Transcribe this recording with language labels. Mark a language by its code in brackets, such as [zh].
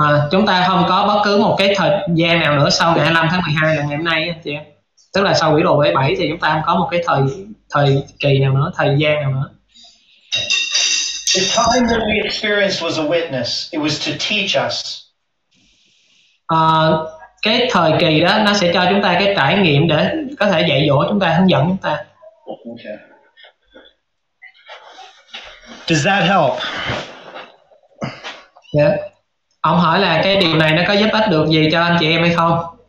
[vi] Chúng ta không có bất cứ một cái thời gian nào nữa sau ngày 25 tháng 12 là ngày hôm nay anh chị em. Tức là sau quỹ đồ 77 thì chúng ta không có một cái thời kỳ nào nữa, thời gian nào nữa. [en] The time that we experienced was a witness. It was to teach us. [vi] Cái thời kỳ đó nó sẽ cho chúng ta cái trải nghiệm để có thể dạy dỗ chúng ta, hướng dẫn chúng ta. [en] Does that help? Yeah. [vi] Ông hỏi là cái điều này nó có giúp ích được gì cho anh chị em hay không?